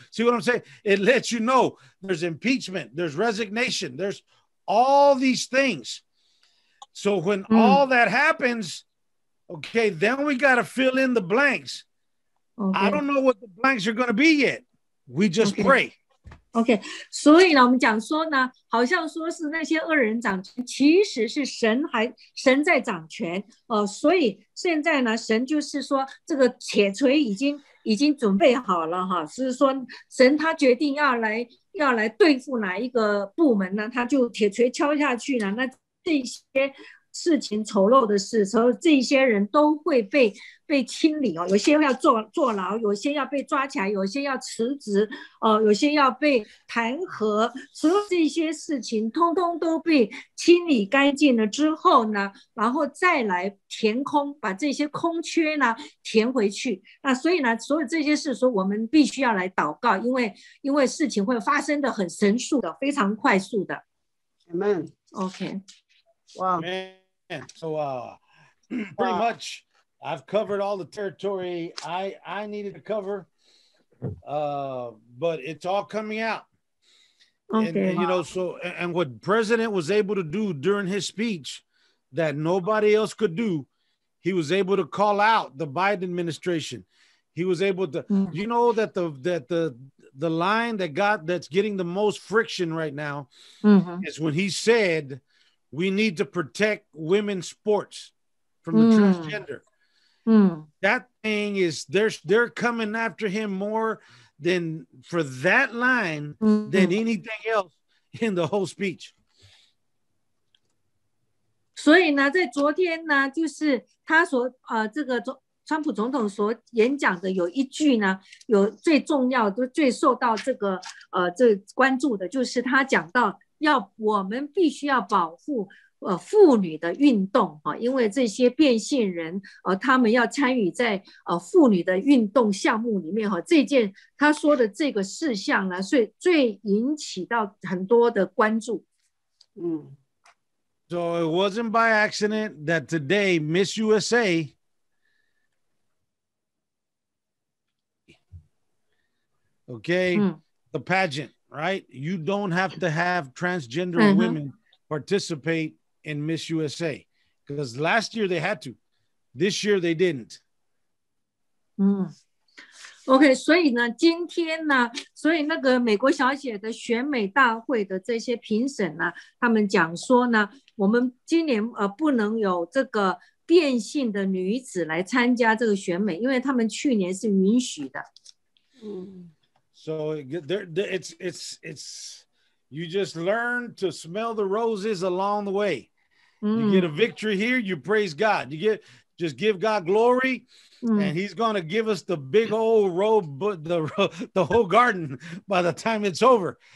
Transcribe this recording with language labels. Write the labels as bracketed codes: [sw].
[en] See what I'm saying? It lets you know there's impeachment. There's resignation. There's all these things. So when all that happens, okay, then we got to fill in the blanks. Okay. I don't know what the blanks are going to be yet. We just pray. [zh] OK， 所以呢我们讲说呢，好像说是那些恶人掌权，其实是神在掌权所以现在呢神就是说这个铁锤已经准备好了哈，是说神他决定要来对付哪一个部门呢，他就铁锤敲下去呢，那这些事情丑陋的事，所以这些人都会被清理有些要坐牢，有些要被抓起来，有些要辞职有些要被弹劾，所有这些事情通通都被清理干净了之后呢，然后再来填空，把这些空缺呢填回去。那所以呢所有这些事说我们必须要来祷告，因为事情会发生的很神速的，非常快速的。 [en] Amen. OK. Wow. Man. So pretty much I've covered all the territory I needed to cover, but it's all coming out. Okay. And you know, so and what President was able to do during his speech that nobody else could do, he was able to call out the Biden administration. He was able to, you know, that the line that got that's getting the most friction right now is when he said we need to protect women's sports from the transgender. That thing is, they're coming after him more than for that line than anything else in the whole speech. [zh] 所以呢，在昨天呢，就是他所这个川普总统所演讲的有一句呢，有最重要的、最受到这个这关注的，就是他讲到要我们必须要保护妇女的运动，因为这些变性人他们要参与在妇女的运动项目里面，这件他说的这个事项呢，所以最引起到很多的关注。 [en] So it wasn't by accident that today Miss USA okay, the pageant, right? You don't have to have transgender women participate in Miss USA. Because last year they had to. This year they didn't. [zh] OK, 所以呢，今天呢，所以那个美国小姐的选美大会的这些评审呢，他们讲说呢，我们今年不能有这个变性的女子来参加这个选美，因为他们去年是允许的。 [en] So it's you just learn to smell the roses along the way. You get a victory here, you praise God. You get just give God glory, and He's gonna give us the big old robe, the whole garden by the time it's over.